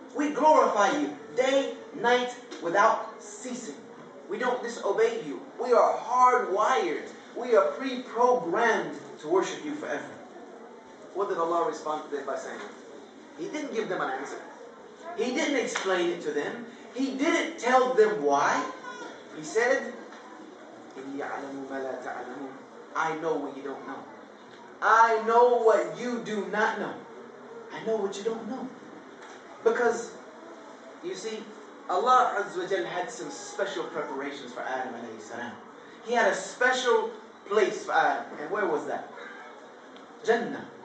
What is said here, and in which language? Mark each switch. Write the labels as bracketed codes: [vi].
[en] We glorify you day, night, without ceasing. We don't disobey you. We are hardwired. We are pre-programmed to worship you forever. What did Allah respond to them by saying? He didn't give them an answer. He didn't explain it to them. He didn't tell them why. [ar] He said, إِنِّي عَلَمُ مَا لَا تَعْلَمُ. [en] I know what you don't know. I know what you do not know. I know what you don't know. Because, you see, Allah Azza wa Jalla had some special preparations for Adam alayhi salam. He had a special place for Adam. And where was that? Jannah.